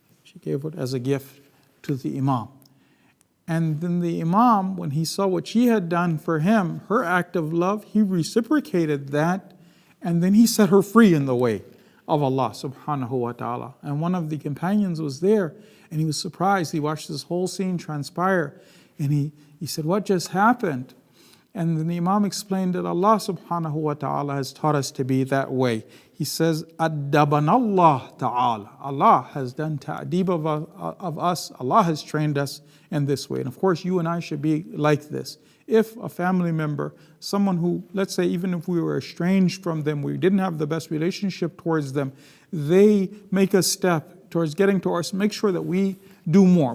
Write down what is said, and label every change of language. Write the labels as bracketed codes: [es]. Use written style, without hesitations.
[en] She gave it as a gift to the Imam. And then the Imam, when he saw what she had done for him, her act of love, he reciprocated that, and then he set her free in the way of Allah subhanahu wa ta'ala. And one of the companions was there, and he was surprised. He watched this whole scene transpire, and he said, "What just happened?" And then the Imam explained that Allah subhanahu wa ta'ala has taught us to be that way. He says, [ar] أَدَّبَنَ اللَّهُ تَعَالَى. [en] Allah has done ta'dib of us. Allah has trained us in this way. And of course, you and I should be like this. If a family member, someone who, let's say, even if we were estranged from them, we didn't have the best relationship towards them, they make a step towards getting to us, make sure that we do more.